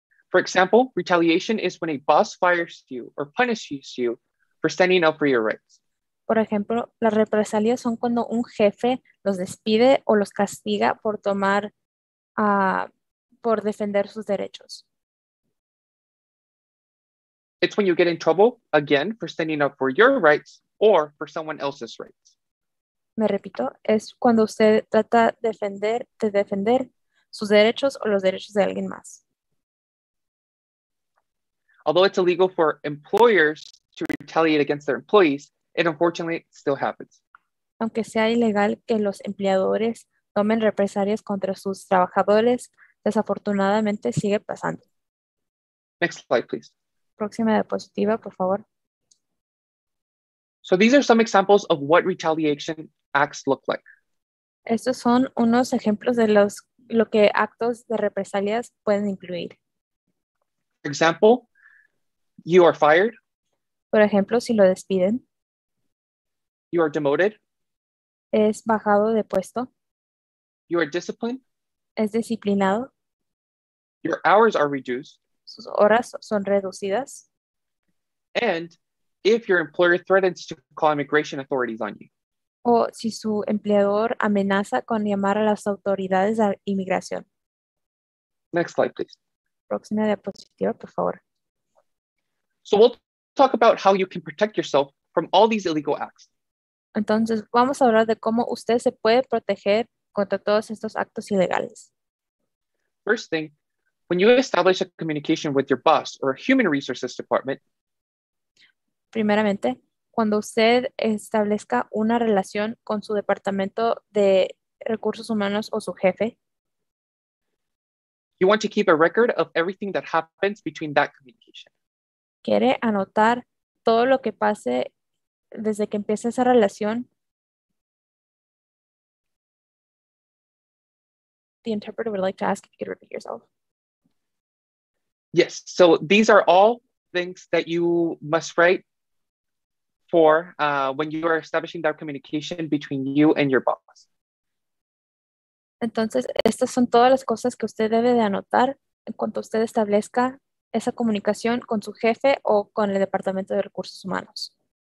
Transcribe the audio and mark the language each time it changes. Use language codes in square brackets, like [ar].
[en] For example, retaliation is when a boss fires you or punishes you for standing up for your rights. [es] Por ejemplo, las represalias son cuando un jefe los despide o los castiga por tomar, por defender sus derechos. [en] It's when you get in trouble, again, for standing up for your rights or for someone else's rights. [es] Me repito, es cuando usted trata de defender sus derechos o los derechos de alguien más. [en] Although it's illegal for employers to retaliate against their employees, it unfortunately still happens. [es] Aunque sea ilegal que los empleadores tomen represalias contra sus trabajadores, desafortunadamente sigue pasando. [en] Next slide, please. [es] Próxima diapositiva, por favor. [en] So these are some examples of what retaliation acts look like. [es] Estos son unos ejemplos de lo que actos de represalias pueden incluir. [en] For example, you are fired. [es] Por ejemplo, si lo despiden. [en] You are demoted. [es] Es bajado de puesto. [en] You are disciplined. [es] Es disciplinado. [en] Your hours are reduced. [es] Sus horas son reducidas. [en] And if your employer threatens to call immigration authorities on you. [es] O si su empleador amenaza con llamar a las autoridades de inmigración. [en] Next slide, please. [es] Próxima diapositiva, por favor. [en] So we'll talk about how you can protect yourself from all these illegal acts. [es] Entonces, vamos a hablar de cómo usted se puede proteger contra todos estos actos ilegales. [en] First thing, when you establish a communication with your boss or a human resources department. [es] Primeramente, cuando usted establezca una relación con su departamento de recursos humanos o su jefe. [en] You want to keep a record of everything that happens between that communication. [es] Quiere anotar todo lo que pase desde que empieza esa relación. [en] The interpreter would like to ask if you could repeat yourself. Yes, so these are all things that you must write for when you are establishing that communication between you and your boss. [es] Entonces, estas son todas las cosas que usted debe de anotar en cuanto usted establezca esa comunicación con su jefe o con el departamento de recursos humanos.